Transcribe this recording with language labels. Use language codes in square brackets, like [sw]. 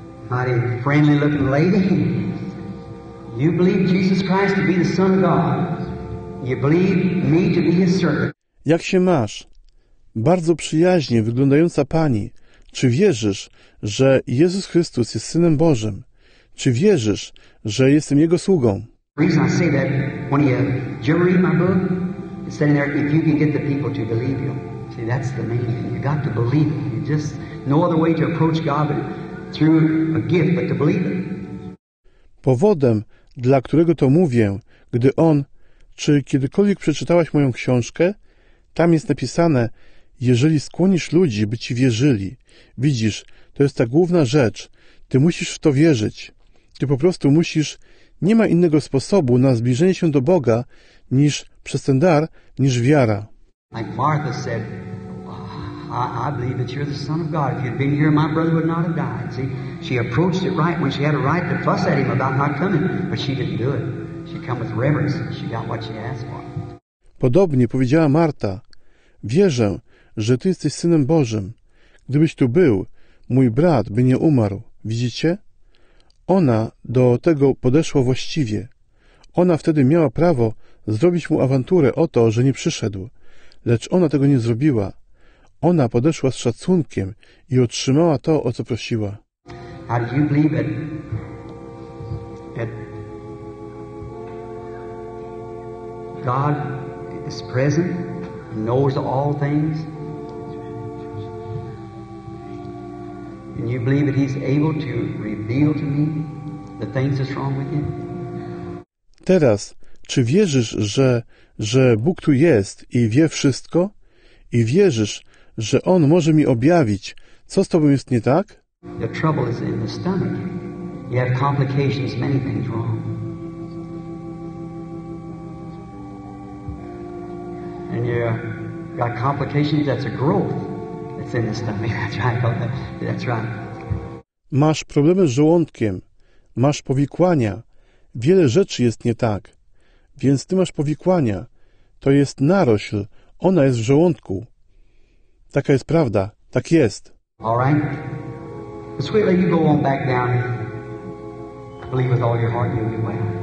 [en] Mighty friendly looking lady. You believe Jesus Christ to be the Son of God. You believe me to be his servant. [pl] Jak się masz? Bardzo przyjaźnie wyglądająca pani. Czy wierzysz, że Jezus Chrystus jest Synem Bożym? Czy wierzysz, że jestem Jego sługą? [en] The reason I say that, when you, did you ever read my book? It's sitting there, if you can get the people to believe you. See, that's the main thing. You got to believe it. You just, no other way to approach God but through a gift, but to believe it. [pl] Powodem, dla którego to mówię, gdy on, czy kiedykolwiek przeczytałaś moją książkę? Tam jest napisane, jeżeli skłonisz ludzi, by ci wierzyli. Widzisz, to jest ta główna rzecz. Ty musisz w to wierzyć. Ty po prostu musisz. Nie ma innego sposobu na zbliżenie się do Boga niż przez ten dar, niż wiara. [en] Like Martha said, I believe that you're the Son of God. If you'd been here, my brother would not have died. See, she approached it right when she had a right to fuss at him about not coming, but she didn't do it. She came with reverence. She got what she asked for. [pl] Podobnie powiedziała Marta. Wierzę, że ty jesteś Synem Bożym. Gdybyś tu był, mój brat by nie umarł. Widzicie? Ona do tego podeszła właściwie. Ona wtedy miała prawo zrobić mu awanturę o to, że nie przyszedł. Lecz ona tego nie zrobiła. Ona podeszła z szacunkiem i otrzymała to, o co prosiła. [en] How do you believe it? God is present, knows all things. And you believe that he's able to reveal to me the things that's wrong with you? [pl] Teraz, czy wierzysz, że Bóg tu jest i wie wszystko? I wierzysz, że On może mi objawić, co z tobą jest nie tak? [en] The trouble is in the stomach. You have complications, many things wrong. And you got complications, that's a growth that's in the stomach. That's right. [pl] Masz problemy z żołądkiem, masz powikłania. Wiele rzeczy jest nie tak. Więc ty masz powikłania. To jest narośl, ona jest w żołądku. Taka jest prawda, tak jest. [en] All right. But sweetly, you go on back down. I believe with all your heart you'll be well.